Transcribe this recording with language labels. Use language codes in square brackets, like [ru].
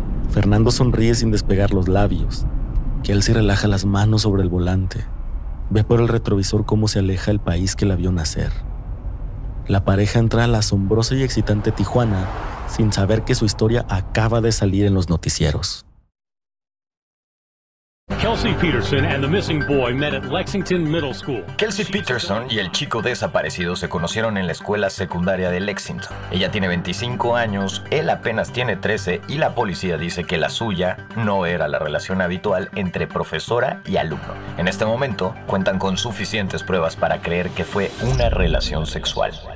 [es] Fernando sonríe sin despegar los labios. Kelsey relaja las manos sobre el volante. Ve por el retrovisor cómo se aleja el país que la vio nacer. La pareja entra a la asombrosa y excitante Tijuana sin saber que su historia acaba de salir en los noticieros. [en] Kelsey Peterson and the missing boy met at Lexington Middle School. [es] Kelsey Peterson y el chico desaparecido se conocieron en la escuela secundaria de Lexington. Ella tiene 25 años, él apenas tiene 13 y la policía dice que la suya no era la relación habitual entre profesora y alumno. En este momento, cuentan con suficientes pruebas para creer que fue una relación sexual.